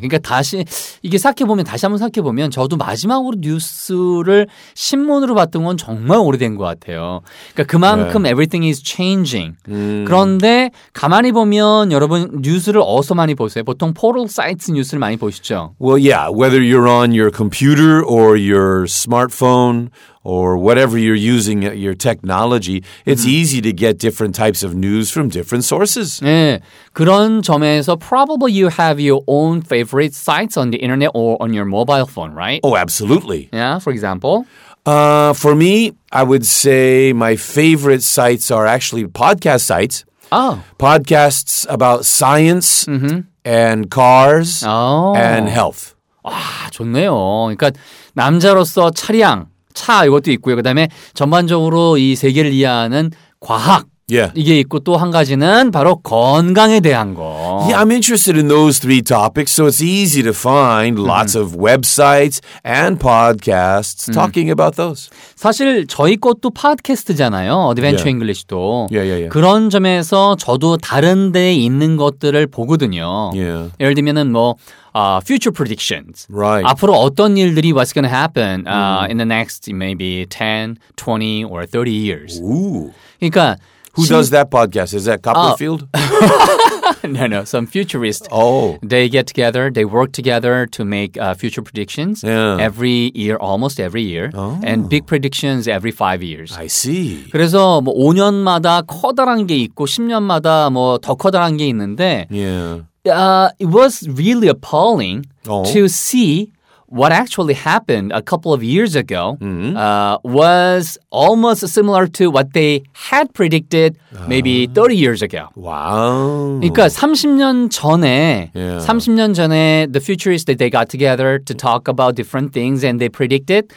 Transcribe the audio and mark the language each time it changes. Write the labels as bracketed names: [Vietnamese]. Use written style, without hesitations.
[Korean] 그러니까 다시 이게 생각해보면 다시 한번 생각해보면 저도 마지막으로 뉴스를 신문으로 봤던 건 정말 오래된 것 같아요. 그러니까 그만큼 [English] yeah. everything is changing. [Korean] 그런데 가만히 보면 여러분 뉴스를 어디서 많이 보세요? 보통 포털 사이트 뉴스를 많이 보시죠? [English] Well, yeah. Whether you're on your computer or your smartphone or whatever you're using your technology, it's easy to get different types of news from different sources. [Korean] 네. 그런 점에서 [English] probably you have your own favorite sites on the internet or on your mobile phone, right? Oh, absolutely. Yeah, for example? For me, I would say my favorite sites are actually podcast sites. Oh. Podcasts about science and cars and health. [Korean] 아, 좋네요. 그러니까 남자로서 차량. 차 이것도 있고요. 그다음에 전반적으로 이 세계를 이해하는 과학 [English] yeah. [Korean] 이게 있고 또 한 가지는 바로 건강에 대한 거. [English] Yeah, I'm interested in those three topics, so it's easy to find lots of websites and podcasts talking about those. [Korean] 사실 저희 것도 팟캐스트잖아요. 어드벤처 잉글리시도. [English] Yeah. Yeah, yeah, yeah. [Korean] 그런 점에서 저도 다른 데에 있는 것들을 보거든요. [English] Yeah. [Korean] 예를 들면 뭐 [English] future predictions. Right. [Korean] 앞으로 어떤 일들이 [English] what's going to happen in the next maybe 10, 20 or 30 years. Ooh. [Korean] 그러니까 [English] who does that podcast? Is that Copperfield? No, no. Some futurists. Oh. They get together. They work together to make future predictions yeah. every year, almost every year. Oh. And big predictions every 5 years. I see. [Korean] 그래서 뭐 5년마다 커다란 게 있고 10년마다 뭐 더 커다란 게 있는데 [English] yeah. It was really appalling oh. to see what actually happened a couple of years ago was almost similar to what they had predicted maybe 30 years ago. Wow. [Korean] 그러니까 30년 전에, [English] yeah. [Korean] 30년 전에 [English] the futurists that they got together to talk about different things and they predicted